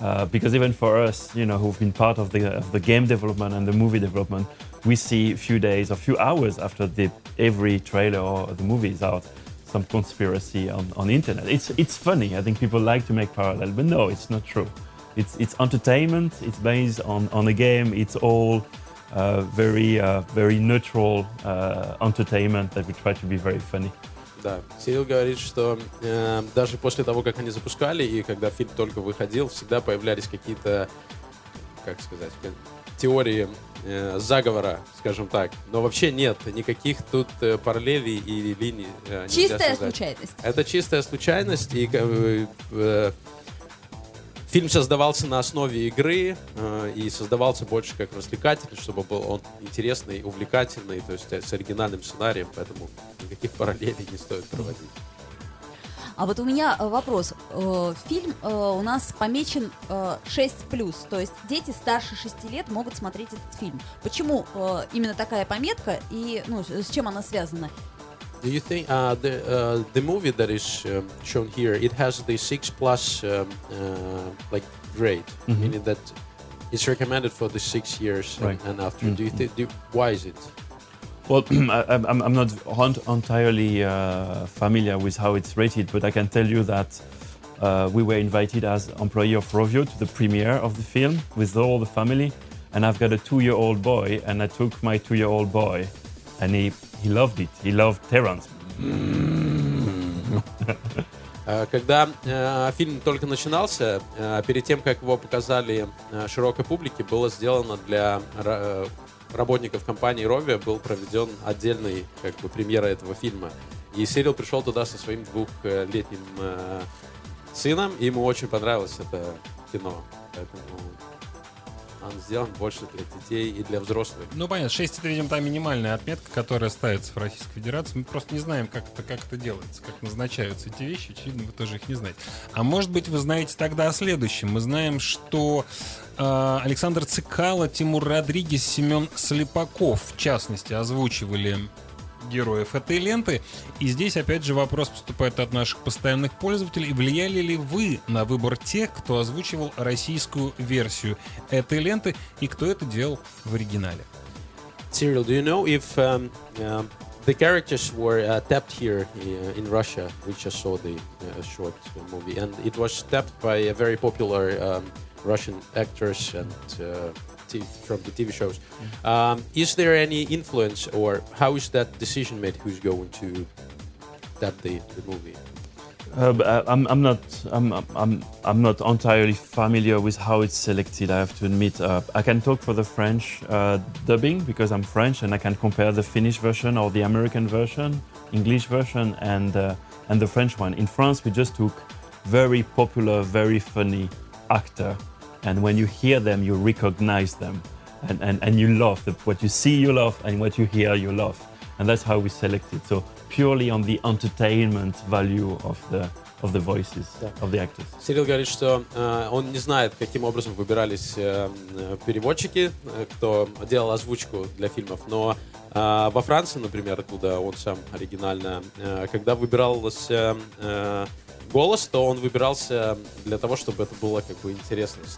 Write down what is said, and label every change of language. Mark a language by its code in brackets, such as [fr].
[en] Because even for us, you know, who've been part of the game development and the movie development, we see a few days or a few hours after every trailer or the movie is out, some conspiracy on the internet. It's funny. I think people like to make parallel, but no, it's not true. It's entertainment. It's based on a game. It's all very neutral entertainment that we try to be very funny. [ru] Да. Сирил говорит, что даже после того, как они запускали, и когда фильм только выходил, всегда появлялись какие-то, как сказать, теории заговора, скажем так. Но вообще нет, никаких тут параллелей и линий нельзя сказать. Чистая случайность. Это чистая случайность, и фильм создавался на основе игры и создавался больше как развлекатель, чтобы был он интересный, увлекательный, то есть с оригинальным сценарием, поэтому никаких параллелей не стоит проводить. А вот у меня вопрос. Фильм у нас помечен 6+, то есть дети старше 6 лет могут смотреть этот фильм. Почему именно такая пометка и ну, с чем она связана? [en] Do you think the movie that is shown here, it has the 6+ like grade, mm-hmm. meaning that it's recommended for the 6 years right. and after? Mm-hmm. Why is it? Well, I'm not entirely familiar with how it's rated, but I can tell you that we were invited as employee of Rovio to the premiere of the film with all the family, and I've got a 2-year-old boy, and I took my 2-year-old boy, and he loved it. He loved Terrence. [ru] Когда фильм только начинался, перед тем, как его показали широкой публике, было сделано для работников компании Rovio, был проведен отдельный как бы премьера этого фильма. И Сирил пришел туда со своим 2-летним сыном, и ему очень понравилось это кино. Поэтому... Он сделан больше для детей и для взрослых. Ну, понятно. 6 – это, видимо, та минимальная отметка, которая ставится в Российской Федерации. Мы просто не знаем, как это делается, как назначаются эти вещи. Очевидно, вы тоже их не знаете. А может быть, вы знаете тогда о следующем. Мы знаем, что Александр Цикало, Тимур Родригес, Семен Слепаков, в частности, озвучивали героев этой ленты. И здесь, опять же, вопрос поступает от наших постоянных пользователей. Влияли ли вы на выбор тех, кто озвучивал российскую версию этой ленты и кто это делал в оригинале? [en] Cyril, do you know if the characters were tapped here in Russia? We just saw the short movie. And it was tapped by a very popular Russian actors and from the TV shows. Is there any influence or how is that decision made who's going to tap the movie? I'm not entirely familiar with how it's selected, I have to admit. I can talk for the French dubbing because I'm French and I can compare the Finnish version or the American version, English version and the French one. In France we just took very popular, very funny actor. And when you hear them, you recognize them, and you laugh. What you see, you laugh, and what you hear, you laugh. And that's how we select it. So purely on the entertainment value of the voices, [ru] да, [en] of the actors. [ru] Сирил говорит, что он не знает, каким образом выбирались переводчики, кто делал озвучку для фильмов, но во Франции, например, откуда он сам оригинально, когда выбирался голос, то он выбирался для того, чтобы это было как бы интересно.